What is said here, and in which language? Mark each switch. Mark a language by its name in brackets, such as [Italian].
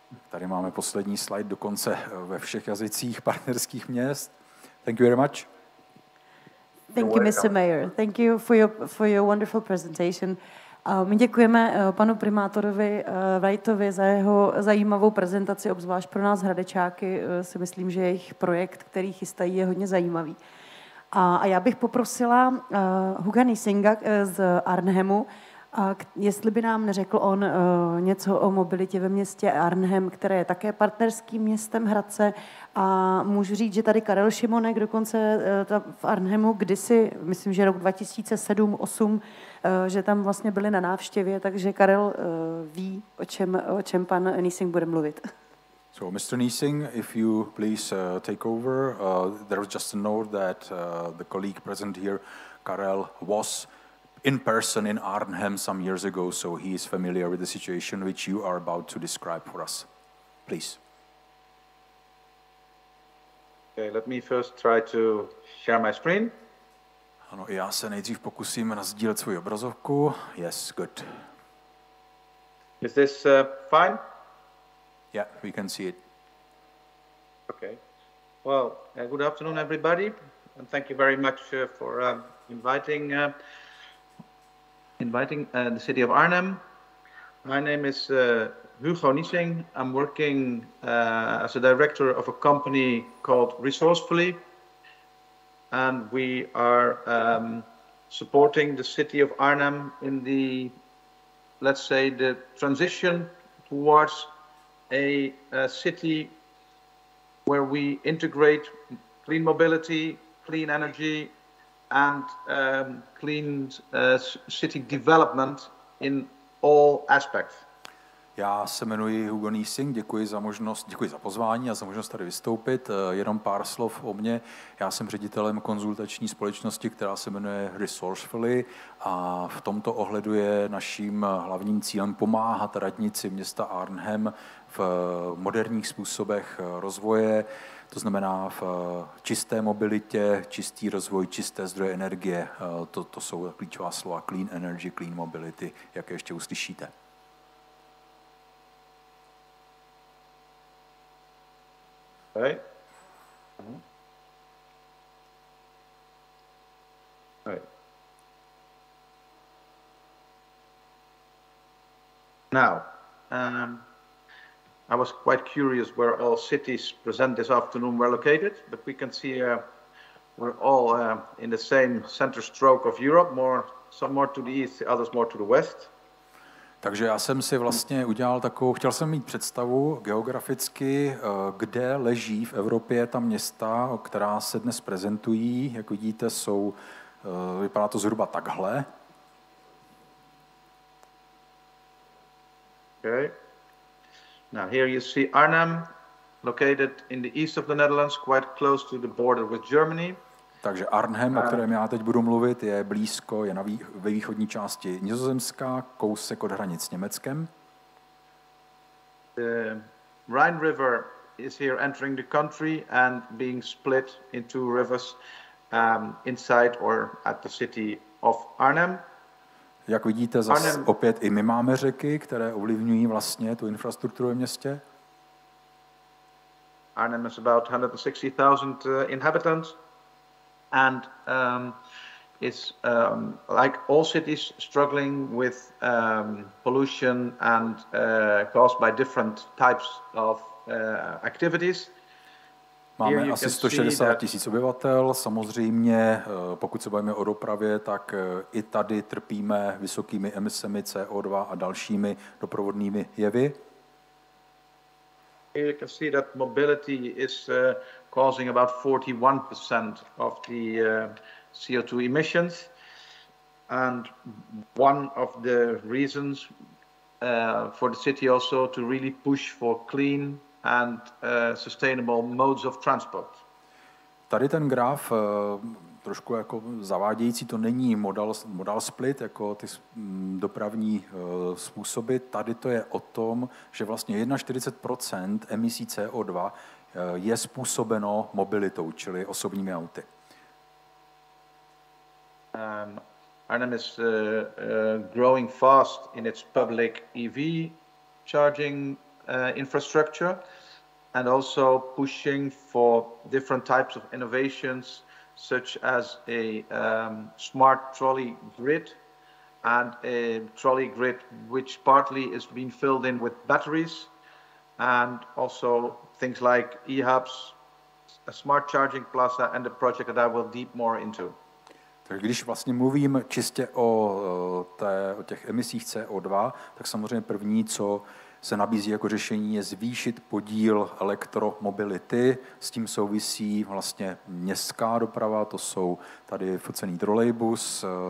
[Czech] Tady máme poslední slide dokonce ve všech jazycích partnerských měst. [English] Thank you very much. Thank you, Mr. Mayor. Thank you for your wonderful presentation. [Czech] My děkujeme panu primátorovi Wrightovi za jeho zajímavou prezentaci, obzvlášť pro nás Hradečáky. Si myslím, že jejich projekt, který chystají, je hodně zajímavý. A já bych poprosila Huga Niesinga z Arnhemu, A jestli by nám neřekl on něco o mobilitě ve městě Arnhem, které je také partnerským městem Hradce. A můžu říct, že tady Karel Šimonek dokonce v Arnhemu kdysi, myslím, že rok 2007-2008, že tam vlastně byli na návštěvě, takže Karel ví, o čem pan Niesing bude mluvit. [English] So, Mr. Niesing, if you please take over, there was just a note that the colleague present here, Karel, was in person in Arnhem some years ago, so he is familiar with the situation which you are about to describe for us. Please. Okay, let me first try to share my screen. [Czech] Ano, já se nejdřív pokusím rozdílet svou obrazovku. [English] Yes, good. Is this fine? Yeah, we can see it. Okay. Well, good afternoon, everybody, and thank you very much for inviting the city of Arnhem. My name is Hugo Niesing. I'm working as a director of a company called Resourcefully, and we are supporting the city of Arnhem in the, let's say, the transition towards a city where we integrate clean mobility, clean energy, and clean city development in all aspects. [Czech] Já se jmenuji Hugo Niesing, děkuji za pozvání a za možnost tady vystoupit. Jenom pár slov o mně. Já jsem ředitelem konzultační společnosti, která se jmenuje Resourcefully, a v tomto ohledu je naším hlavním cílem pomáhat radnici města Arnhem v moderních způsobech rozvoje, to znamená v čisté mobilitě, čistý rozvoj, čisté zdroje energie. To jsou klíčová slova [English] clean energy, clean mobility, [Czech] jak ještě uslyšíte. [English] Right. Now, I was quite curious where all cities present this afternoon were located, but we can see we're all in the same center stroke of Europe, some more to the east, others more to the west. [Czech] Takže já jsem si vlastně udělal takovou, chtěl jsem mít představu geograficky, kde leží v Evropě ta města, která se dnes prezentují. Jak vidíte, vypadá to zhruba takhle. [English] Okay. Now here you see Arnhem, located in the east of the Netherlands, quite close to the border with Germany. [Czech] Takže Arnhem, o kterém já teď budu mluvit, je blízko, je ve východní části Nizozemska, kousek od hranic s Německem. [English] The Rhine River is here entering the country and being split into rivers inside or at the city of Arnhem. [Czech] Jak vidíte, opět i my máme řeky, které ovlivňují vlastně tu infrastrukturu ve městě. [English] Arnhem is about 160,000 inhabitants. And it's like all cities struggling with pollution and caused by different types of activities. [Czech] Máme asi 160 tisíc obyvatel, samozřejmě pokud se bavíme o dopravě, tak i tady trpíme vysokými emisemi CO2 a dalšími doprovodnými jevy. [English] You can see that mobility is causing about 41% of the CO2 emissions, and one of the reasons for the city also to really push for clean and sustainable modes of transport. [Czech] Tady ten graf trošku jako zavádějící, to není modal split, jako ty dopravní způsoby. Tady to je o tom, že vlastně 41% emisí CO2 je způsobeno mobilitou, čili osobními auty. [English] Arnhem is growing fast in its public EV charging infrastructure and also pushing for different types of innovations such as a smart trolley grid and a trolley grid which partly is being filled in with batteries, and also things like e-hubs, a smart charging plaza, and a project that I will deep more into. [Czech] Tak když vlastně mluvím čistě o těch emisích CO2, tak samozřejmě první, co se nabízí jako řešení, je zvýšit podíl elektromobility. S tím souvisí vlastně městská doprava, to jsou tady focený trolejbus.